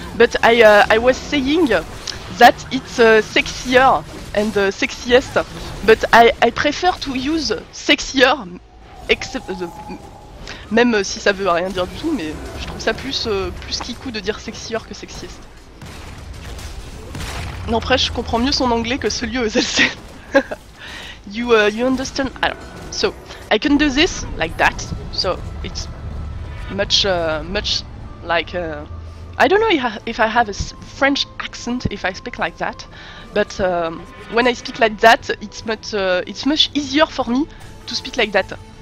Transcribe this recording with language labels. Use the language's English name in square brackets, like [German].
[English] But I was saying that it's sexier and sexiest. But I prefer to use sexier, except... [French] Même si ça veut rien dire du tout, mais je trouve ça plus kikou de dire sexier que sexiest. Non, après, je comprends mieux son anglais que celui aux LC. [English] you understand? Alors, so, I can do this like that. So, it's much, much like. I don't know if I have a French accent if I speak like that, but when I speak like that, it's much easier for me to speak like that.